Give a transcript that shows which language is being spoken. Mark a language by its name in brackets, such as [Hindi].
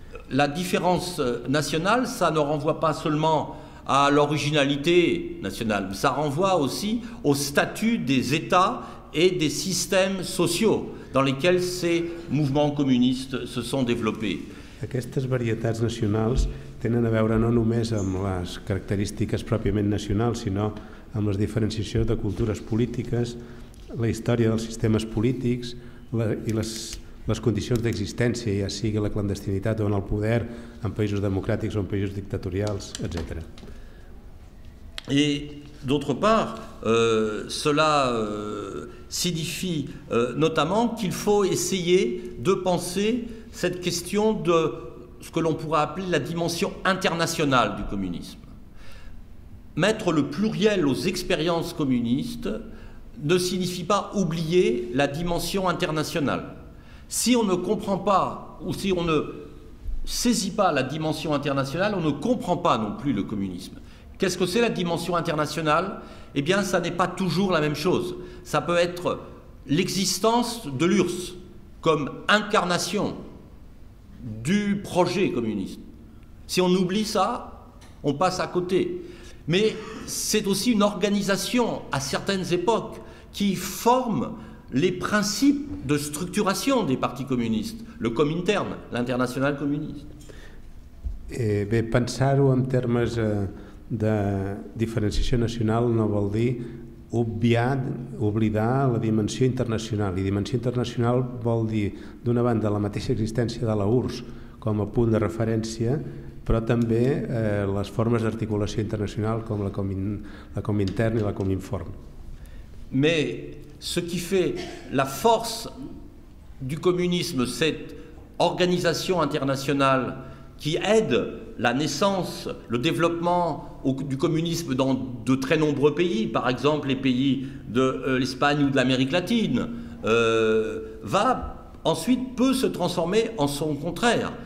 [French] La différence nationale, ça ne renvoie pas seulement à l'originalité nationale, ça renvoie aussi au statut des États et des systèmes sociaux dans lesquels ces mouvements communistes se sont développés. [Catalan] Aquestes varietats nacionals tenen a veure no només amb les característiques pròpiament nacionals, sinó amb les diferenciacions de cultures polítiques, la història dels sistemes polítics i les condicions d'existència, ja sigui la clandestinitat o en el poder, en països democràtics o en països dictatorials, etc. [French] Et d'autre part, cela signifie notamment qu'il faut essayer de penser cette question de ce que l'on pourrait appeler la dimension internationale du communisme. Mettre le pluriel aux expériences communistes ne signifie pas oublier la dimension internationale. Si on ne comprend pas ou si on ne saisit pas la dimension internationale, on ne comprend pas non plus le communisme. Qu'est-ce que c'est la dimension internationale? Eh bien, ça n'est pas toujours la même chose. Ça peut être l'existence de l'URSS comme incarnation du projet communiste. Si on oublie ça, on passe à côté. Mais c'est aussi une organisation à certaines époques qui forme les principes de structuration des partis communistes, le Comintern, l'international communiste. Et bien, [Catalan] pensar-ho en termes de diferenciació nacional no vol dir oblidar la dimensió internacional. I dimensió internacional vol dir, d'una banda, la mateixa existència de la URSS com a punt de referència, però també les formes d'articulació internacional com la Comintern i la Cominform. [French] Mais ce qui fait la force du communisme, cette organisation internationale qui aide la naissance, le développement du communisme dans de très nombreux pays, par exemple les pays de l'Espagne ou de l'Amérique latine, va ensuite peut se transformer en son contraire.